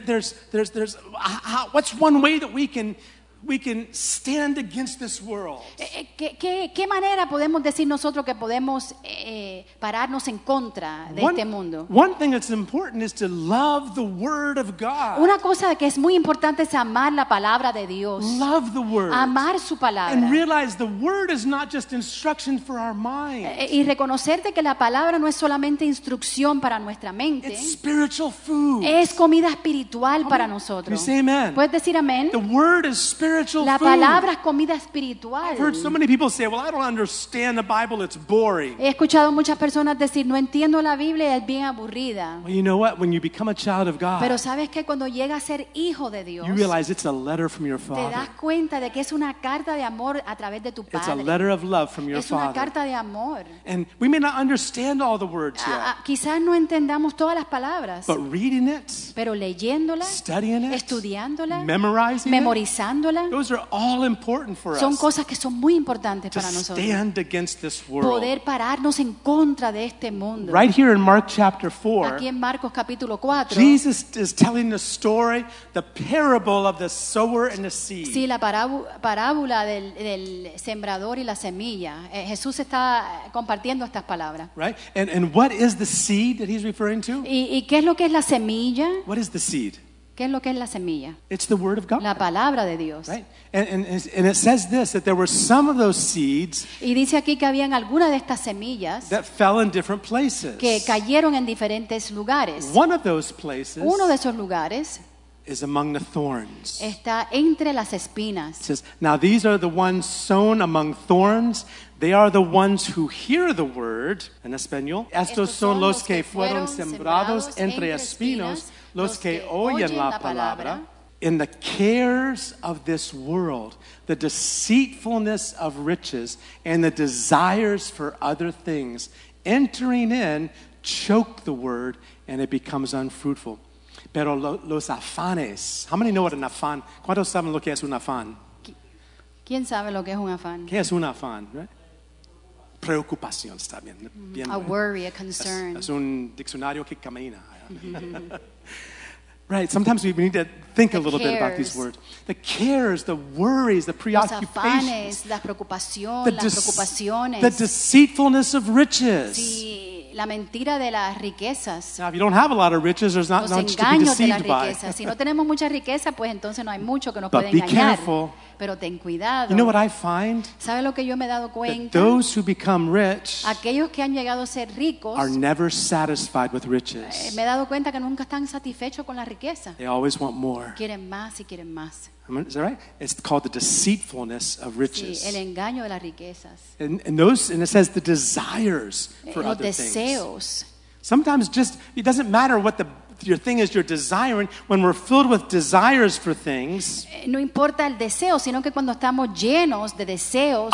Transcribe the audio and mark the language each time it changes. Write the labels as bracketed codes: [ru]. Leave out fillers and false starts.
[en] There's what's one way that we can stand against this world? [es] ¿Qué manera podemos decir nosotros que podemos pararnos en contra de este mundo? [en] One thing that's important is to love the word of God. [es] Una cosa que es muy importante es amar la palabra de Dios. [en] Love the word. [es] Amar su palabra. [en] And realize the word is not just instruction for our mind. [es] Y reconocer que la palabra no es solamente instrucción para nuestra mente. [en] It's spiritual food. [es] Es comida espiritual para nosotros. [en] You say amen. [es] ¿Puedes decir amén? [en] The word is [es] la palabra es comida espiritual. [en] I've heard so many people say, "Well, I don't understand the Bible; it's boring." [es] He escuchado muchas personas decir, "No entiendo la Biblia; es bien aburrida." [en] Well, you know what? When you become a child of God, [es] pero sabes que cuando llega a ser hijo de Dios, [en] you realize it's a letter from your father. [es] Te das cuenta de que es una carta de amor a través de tu padre. [en] It's a letter of love from your father. [es] Es una carta de amor. [en] And we may not understand all the words yet. [es] Quizás no entendamos todas las palabras. [en] But reading it, [es] pero leyéndola, [en] studying it, [es] estudiándola, [en] memorizing, [es] memorizando. [en] Those are all important for us. [es] Son cosas que son muy importantes para nosotros. [en] To stand against this world. [es] Poder pararnos en contra de este mundo. [en] Right here in Mark chapter 4. [es] Aquí en Marcos capítulo 4. [en] Jesus is telling the story, the parable of the sower and the seed. [es] Sí, la parábola del sembrador y la semilla. Jesús está compartiendo estas palabras. [en] Right? And what is the seed that he's referring to? [es] ¿Y qué es lo que es la semilla? [en] What is the seed? [es] ¿Qué es lo que es la semilla? [en] It's the word of God. [es] La palabra de Dios. [en] Right? And it says this, that there were some of those seeds. [es] Y dice aquí que habían algunas de estas semillas. [en] That fell in different places. [es] Que cayeron en diferentes lugares. [en] One of those places. [es] Uno de esos lugares. [en] Is among the thorns. [es] Está entre las espinas. [en] It says, now these are the ones sown among thorns. They are the ones who hear the word. [es] En español. Estos son los que fueron sembrados entre espinos. Los que oyen la palabra. [en] In the cares of this world, the deceitfulness of riches, and the desires for other things, entering in, choke the word and it becomes unfruitful. [es] Pero los afanes. [en] How many know what an afan? [es] ¿Cuántos saben lo que es un afán? ¿Quién sabe lo que es un afán? ¿Qué es un afán? Preocupación está bien. [en] A worry, a concern. [es] Es un diccionario que camina. [en] Right, sometimes we need to think the a little cares. Bit about these words. The cares, the worries, the preoccupations. [es] Los afanes, la preocupación, las preocupaciones. [en] The deceitfulness of riches. [es] Sí, la mentira de las riquezas. [en] Now, if you don't have a lot of riches, there's not [es] los [en] much to be deceived by. [es] Si no tenemos mucha riqueza, pues entonces no hay mucho que nos [en] but [es] puede [en] be [es] engañar. [en] Careful. [es] Pero ten cuidado. [en] You know what I find? [es] ¿Sabe lo que yo me he dado cuenta? [en] That those who become rich [es] aquellos que han llegado a ser ricos [en] are never satisfied with riches. [es] Me he dado cuenta que nunca están satisfechos con la riqueza. [en] They always want more. [es] Quieren más y quieren más. [en] Is that right? It's called the deceitfulness of riches. [es] Sí, el engaño de las riquezas. [en] And those, and it says the desires for [es] los [en] other [es] deseos. [en] Things. Sometimes just, it doesn't matter what the your thing is you're desiring. When we're filled with desires for things, [es] no importa el deseo, sino que cuando estamos llenos de deseos,